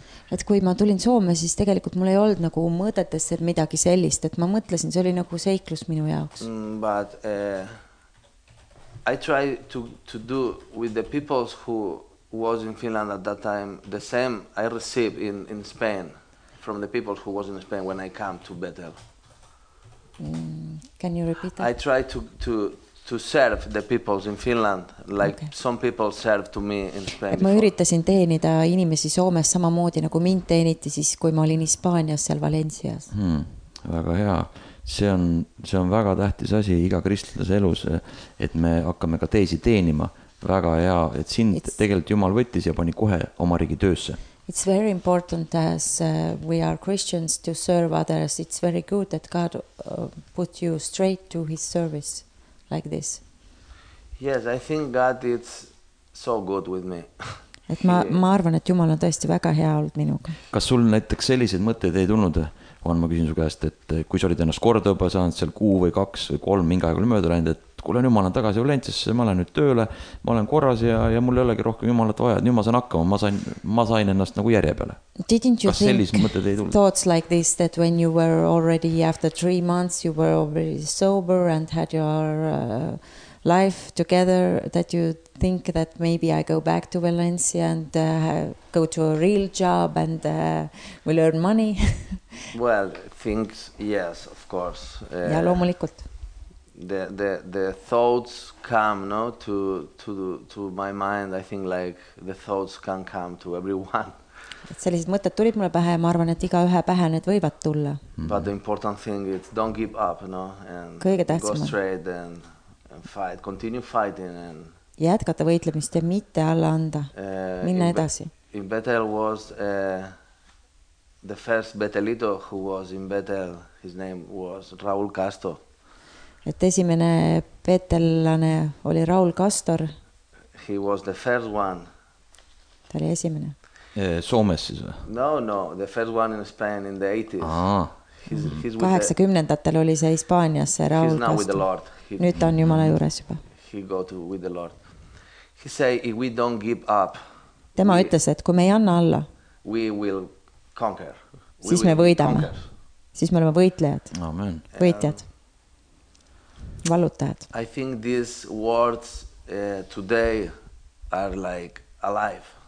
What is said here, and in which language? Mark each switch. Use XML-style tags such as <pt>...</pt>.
<et>Et kui ma tulin Soome, siis tegelikult mul ei olnud nagu mõõdetes midagi sellist. Et ma mõtlesin, see oli nagu seiklus minu jaoks.</et> <en>But... I try to do with the people who was in Finland at that time the same I received in Spain from the people who was in Spain when I came to Bethel. Mm, Can you repeat that? I try to serve the peoples in Finland like okay. some people serve to me in Spain.</en> <et>Et ma üritasin teenida inimesi Soomes samamoodi nagu mind teeniti siis kui ma olin Hispaanias seal Valencias. Hmm, väga hea. See on väga tähtis asi iga kristlase elus, et me hakkame ka teisi teenima. Väga hea, et sind tegelikult Jumal võttis ja pani kohe oma riigi töösse.</et> <en>It's very important as we are Christians to serve others. It's very good that God put you straight to his service like this. Yes, I think God is so good with me.</en> <et>Et ma arvan, et Jumal on tõesti väga hea olnud minuga. Kas sul näiteks sellised mõtted ei tulnud? On ma küsin su käest, et kui sa olid ennast korda juba saanud seal kuu või kaks või kolm mingi aeg oli mööda läinud, et kuule nüüd ma olen tagasi Valencias, ma olen nüüd tööle, ma olen korras ja mul ei olegi rohkem jumalat vaja, nüüd ma saan hakkama, ma sain ennast nagu järje peale.</et> <en>Didn't you think thoughts like this that when you were already after 3 months you were already sober and had your life together that you think that maybe I go back to Valencia and go to a real job and will earn money? Well, things, yes, of course.</en> <et>Ja loomulikult.</et> <en>The thoughts come, no, to my mind. I think like the thoughts can come to everyone.</en> <et>Et sellised mõtted tulid mulle pähe ja ma arvan, et iga ühe pähe need võivad tulla.</et> <en>But the important thing is don't give up, no, and</en> <et>kõige tähtsam.</et> <en>Go straight and fight, continue fighting and</en> <et>jätkata võitlemist ja mitte alla anda. Minna edasi.</et> <en>In battle was the first Betelito who was in battle, his name was Raul Castro.</en> <et>Et esimene petellane oli Raul Castor.</et> <en>He was the first one.</en> <et>Ta oli esimene. Soomes siis või?</et> <en>No, the first one in Spain in the 80s. Ah. He's</en> <et>80-ndatel oli see Hispaanias, see Raul Castor.</et> <en>He's now with the Lord.</en> <et>Nüüd ta on Jumala juures juba.</et> <en>He go to with the Lord. He say, if we don't give up.</en> <et>Tema ütles, et kui me ei anna alla.</et> <en>We will conquer.</en> <et>Siis me võidame. Siis me oleme võitlejad. Amen. Võitjad. Vallutajad.</et> <en>I think these words today are like alive.</en>